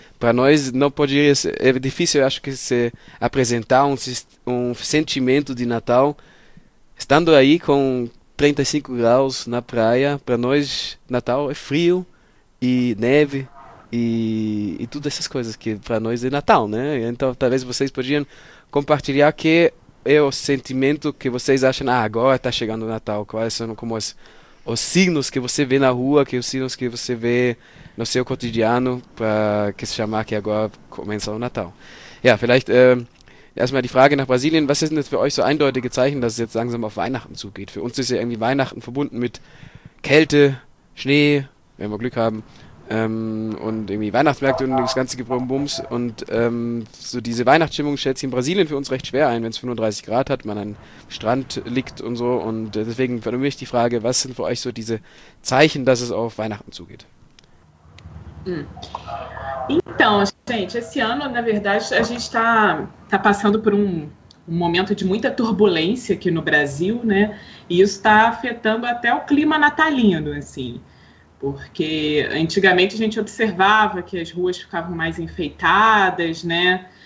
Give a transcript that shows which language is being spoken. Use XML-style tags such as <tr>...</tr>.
<pt>Para nós, não poderia ser, é difícil, eu acho, que se apresentar um sentimento de Natal estando aí com 35 graus na praia, para nós Natal é frio e neve e todas essas coisas que para nós é Natal, né? Então talvez vocês podiam compartilhar que é o sentimento que vocês acham, ah, agora está chegando o Natal? Quais são como os signos que você vê na rua, que os signos que você vê no seu cotidiano para que se chamar que agora começa o Natal?</pt> <de>Ja, vielleicht erstmal die Frage nach Brasilien. Was sind jetzt für euch so eindeutige Zeichen, dass es jetzt langsam auf Weihnachten zugeht? Für uns ist ja irgendwie Weihnachten verbunden mit Kälte, Schnee, wenn wir Glück haben. Und irgendwie Weihnachtsmärkte und das ganze Gebrummbums und so diese Weihnachtsstimmung stellt sich in Brasilien für uns recht schwer ein, wenn es 35 Grad hat, man am Strand liegt und so. Und deswegen für mich die Frage, was sind für euch so diese Zeichen, dass es auf Weihnachten zugeht?</de> <pt>Então, gente, esse ano, na verdade, a gente tá passando por um momento de muita turbulência aqui no Brasil, né? E isso está afetando até o clima natalino, assim. Porque antigamente a gente observava que as ruas ficavam mais enfeitadas, né?</pt>